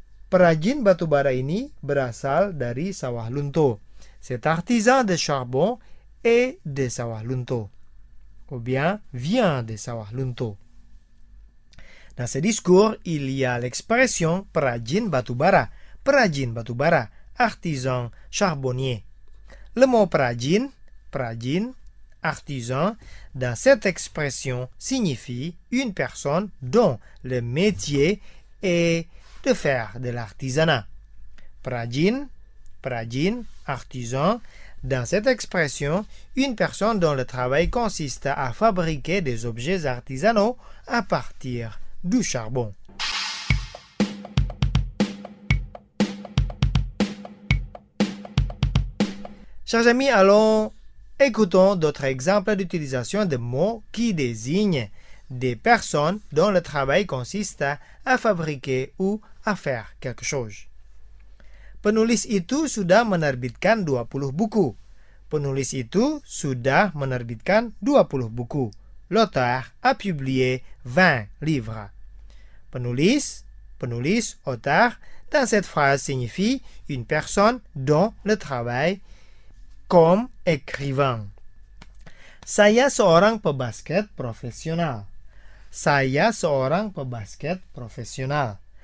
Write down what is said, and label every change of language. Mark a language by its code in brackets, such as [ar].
[id] Prajin batubara ini berasal dari Sawahlunto. [fr] Cet artisan de charbon est de Sawahlunto. Ou bien vient de Sawahlunto. Dans ce discours, il y a l'expression Prajin batubara. Prajin batubara, artisan charbonnier. Le mot prajin, prajin, artisan, dans cette expression signifie une personne dont le métier est de faire de l'artisanat. Prajin, prajin, artisan, dans cette expression, une personne dont le travail consiste à fabriquer des objets artisanaux à partir du charbon. Chers amis, allons écoutons d'autres exemples d'utilisation de mots qui désignent des personnes dont le travail consiste à fabriquer ou à faire quelque chose. [id] Penulis itu sudah menerbitkan 20 buku. Penulis itu sudah menerbitkan 20 buku. [fr] L'auteur a publié 20 livres. Penulis, penulis, auteur, Dans cette phrase signifie une personne dont le travail comme écrivain. [id] Saya seorang pebasket professionnel. Saya seorang pebasket professionnel.